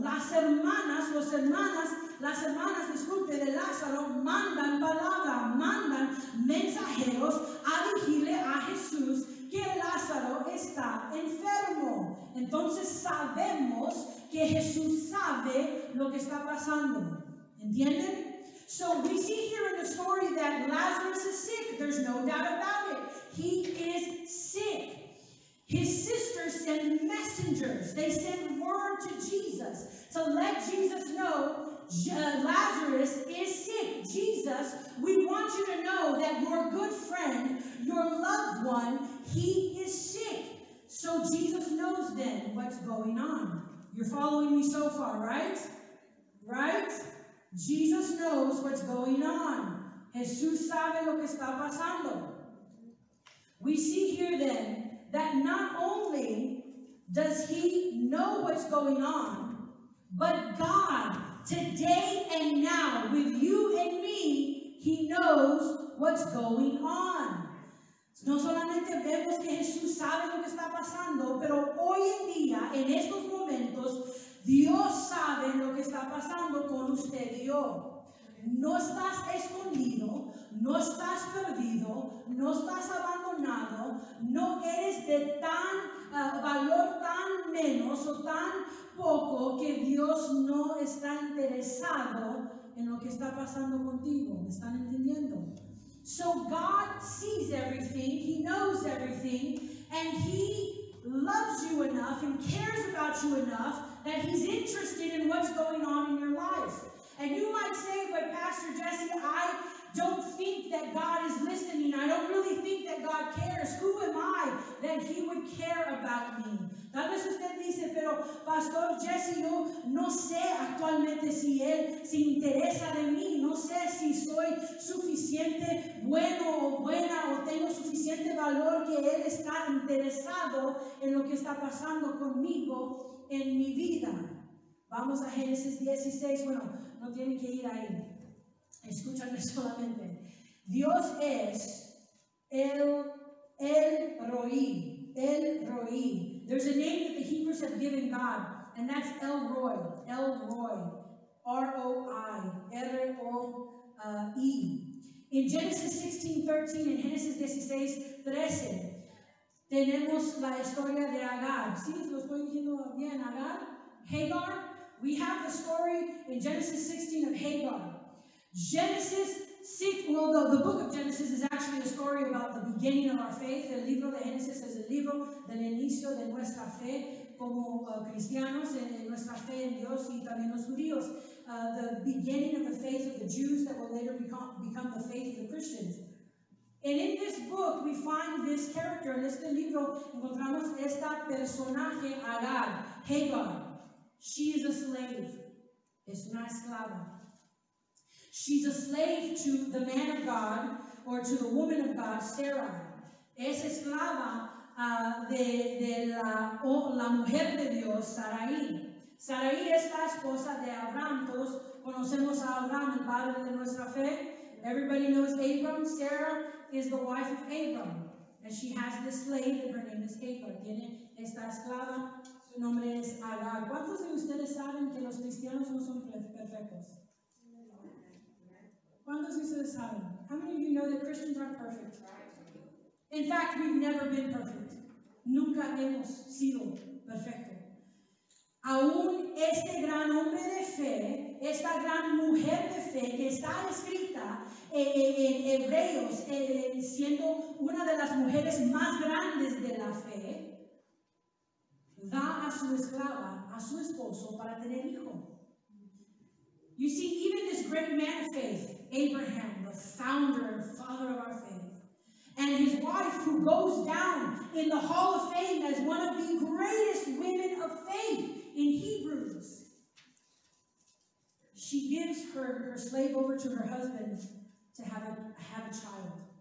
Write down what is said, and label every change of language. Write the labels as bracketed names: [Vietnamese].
[Spanish] Las hermanas, disculpe, de Lázaro, mandan palabra, mandan mensajeros a dirigirle a Jesús que Lázaro está enfermo. Entonces sabemos que Jesús sabe lo que está pasando. ¿Entienden? [English] So we see here in the story that Lazarus is sick. There's no doubt about it. He is sick. His sisters send messengers. They send word to Jesus to let Jesus know, Lazarus is sick. Jesus, we want you to know that your good friend, your loved one, he is sick. So Jesus knows then what's going on. You're following me so far, right? Right? Jesus knows what's going on. [Spanish] Jesús sabe lo que está pasando. [English] We see here then that not only does he know what's going on, but God, today and now, with you and me, he knows what's going on. [Spanish] No solamente vemos que Jesús sabe lo que está pasando, pero hoy en día, en estos momentos, Dios sabe lo que está pasando con usted y yo. No estás escondido, no estás perdido, no estás abandonado, no eres de tan valor, tan menos o tan poco que Dios no está interesado en lo que está pasando contigo. ¿Me están entendiendo? [English] So God sees everything, he knows everything, and he loves you enough and cares about you enough that he's interested in what's going on in your life. And you might say, but Pastor Jesse, I don't think that God is listening. I don't really think that God cares. Who am I that he would care about me? [Spanish] Tal vez usted dice, pero Pastor Jesse, yo no sé actualmente si él se interesa de mí. No sé si soy suficiente bueno o buena o tengo suficiente valor que él está interesado en lo que está pasando conmigo en mi vida. Vamos a Génesis 16. Bueno, no tiene que ir ahí. Escúchame solamente. Dios es El Roí. [English] There's a name that the Hebrews have given God, and that's El Roi. R-O-I. R-O-I. In Genesis 16:13 and Genesis 16:13, [Spanish] tenemos la historia de Agar. ¿Sí? ¿Lo estoy diciendo bien? ¿Agar? ¿Hagar? [English] We have the story in Genesis 16 of Hagar. Genesis 6, well, the book of Genesis is actually a story about the beginning of our faith. [Spanish] El libro de Genesis es el libro del inicio de nuestra fe como cristianos, en nuestra fe en Dios y también los judíos. [English] The beginning of the faith of the Jews that will later become the faith of the Christians. And in this book, we find this character. [Spanish] En este libro encontramos esta personaje, Agar, Hagar. [English] She is a slave. [Spanish] Es una esclava. [English] She's a slave to the man of God, or to the woman of God, Sarah. [Spanish] Es esclava de la mujer de Dios, Sarai. Sarai es la esposa de Abraham. Todos conocemos a Abraham, el padre de nuestra fe. [English] Everybody knows Abraham. Sarah is the wife of Abraham. And she has this slave, and her name is Hagar. [Spanish] Tiene esta esclava. Su nombre es Agar. ¿Cuántos de ustedes saben que los cristianos no son perfectos? ¿Cuántos de ustedes saben? [English] How many of you know that Christians aren't perfect? In fact, we've never been perfect. [Spanish] Nunca hemos sido perfectos. Aún este gran hombre de fe, esta gran mujer de fe que está escrita en Hebreos, siendo una de las mujeres más grandes de la fe, da a su esclava, a su esposo, para tener hijo. [English] You see, even this great man of faith, Abraham, the founder and father of our faith, and his wife, who goes down in the hall of fame as one of the greatest women of faith in Hebrews, she gives her slave over to her husband to have a child.